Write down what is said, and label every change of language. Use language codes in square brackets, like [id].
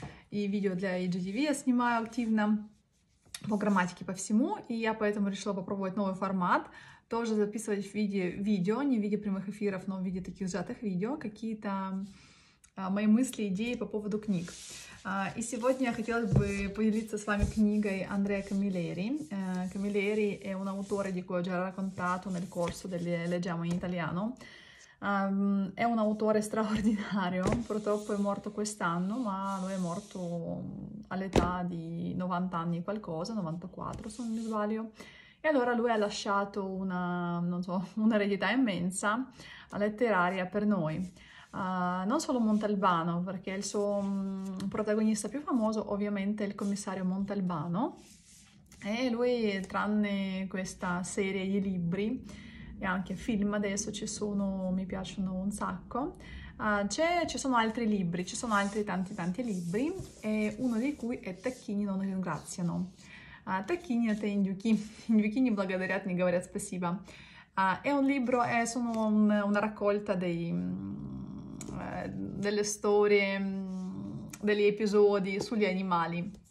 [ru] И видео для IGTV я снимаю активно. По грамматике, по всему, и я поэтому решила попробовать новый формат, тоже записывать в виде видео, не в виде прямых эфиров, но в виде таких сжатых видео, какие-то мои мысли, идеи по поводу книг. И сегодня я хотела бы поделиться с вами книгой Андреа Камилери. [it] Камилери è un autore di cui ho già raccontato nel corso delle Leggiamo in Italiano. È un autore straordinario, purtroppo è morto quest'anno, ma lui è morto all'età di 90 anni qualcosa, 94 se non mi sbaglio. E allora lui ha lasciato una, non so, un'eredità immensa, letteraria per noi. Non solo Montalbano, perché il suo protagonista più famoso ovviamente è il commissario Montalbano. E lui, tranne questa serie di libri, e anche film adesso ci sono, mi piacciono un sacco. Ci sono altri libri, ci sono altri tanti tanti libri, e uno di cui è Tacchini non ringraziano. [ru] Tacchini это индюки. Индюки не благодарят, не говорят спасибо. [it] È un libro, è solo una raccolta delle storie, degli episodi sugli animali.